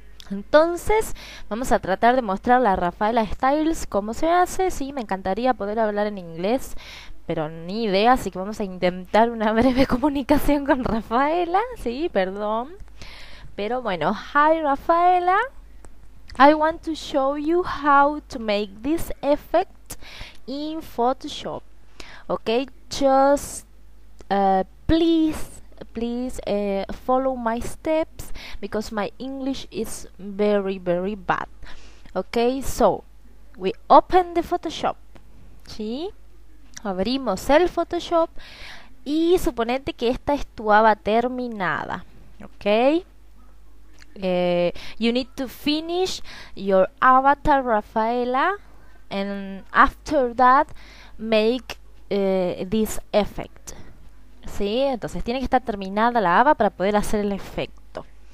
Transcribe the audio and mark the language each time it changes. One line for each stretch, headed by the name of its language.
Spanish: Entonces, vamos a tratar de mostrarle a Rafaela Styles cómo se hace. Sí, me encantaría poder hablar en inglés, pero ni idea, así que vamos a intentar una breve comunicación con Rafaela, sí, perdón. Pero bueno, hi Rafaela.
English: I want to show you how to make this effect in Photoshop. Okay, just please follow my steps because my English is very, very bad. Okay, so we open the Photoshop. ¿Sí?
Spanish: Abrimos el Photoshop y suponete que esta es tu aba terminada.
English: Okay? You need to finish your avatar, Rafaela, and after that, make this effect.
Spanish: ¿Sí? Entonces tiene que estar terminada la aba para poder hacer el efecto.